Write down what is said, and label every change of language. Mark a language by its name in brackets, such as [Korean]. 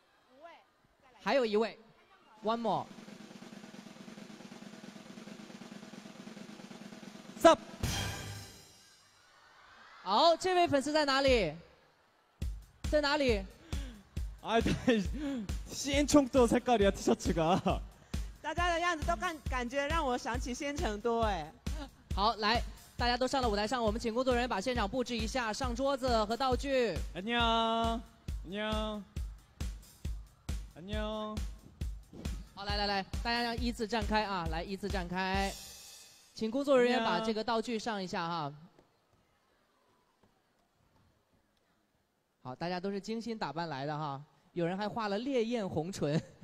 [Chinese] 五位再来还有一位 [English] One more Stop [Chinese] 好这位粉丝在哪里在哪里 [Korean] 아신청도색깔이야티셔츠가 [Chinese] 大家的样子都感觉让我想起新成都哎好来大家都上了舞台上我们请工作人员把现场布置一下上桌子和道具 [Korean] 안녕안녕안녕 [Chinese] 好来来来大家要依次站开啊来依次站开请工作人员把这个道具上一下哈、啊、好大家都是精心打扮来的哈、啊、有人还画了烈焰红唇